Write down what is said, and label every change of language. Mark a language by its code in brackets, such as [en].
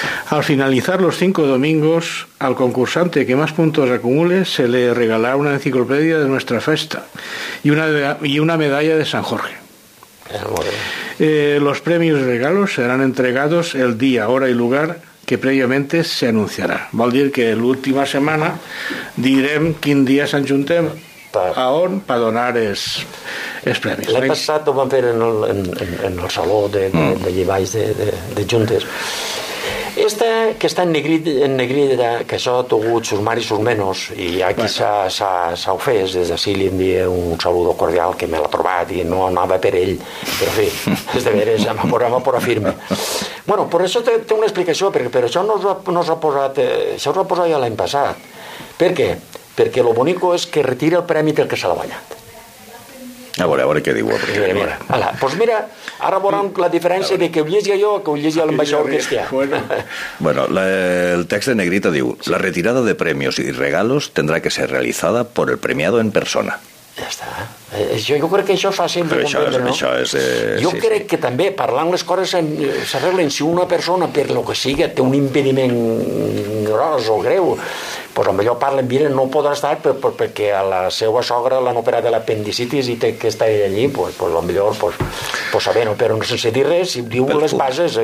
[es] Al finalizar los 5 domingos, al concursante que más puntos acumule se le regalará una enciclopedia de nuestra festa y una medalla de San Jorge. Los premios y regalos serán entregados el día, hora y lugar que previamente se anunciará. [ca] Vol dir que l'última setmana direm quin dia s'ajuntem a on per donar els premis. L'any passat ho vam fer en el saló de llibaix de juntes. Esta que està en negrida, que això ha tingut sus mares i sus menos, i aquí s'ha ofès, des d'ací li envia [es] un saludo cordial, [ca] que me l'ha trobat i no anava per ell, però en fi, és de veres, m'ha por a firme. Bueno, per això té una explicació, però això no s'ha posat ja l'any passat. Per què? Perquè lo bonico és que retira el premi del que se l'ha guanyat. A veure què diu. Mira. Pues mira, ara veurem la diferència de que ho llegia jo o que ho llegia l'ambaixador cristià. Bueno, el text de negrita diu: [es] la retirada de premios y regalos tendrá que ser realizada por el premiado en persona. [ca] Ja està. Jo crec que això fa sempre comprendre, no? Això és, crec que també, parlant les coses, s'arreglen. Si una persona, per lo que sigui, té un impediment gros o greu, doncs potser parlen, mira, no podrà estar perquè a la seva sogra l'han operat de l'apendicitis i té que estar allí, doncs potser, pues, saber-ho, però no sense dir res, si diu les bases...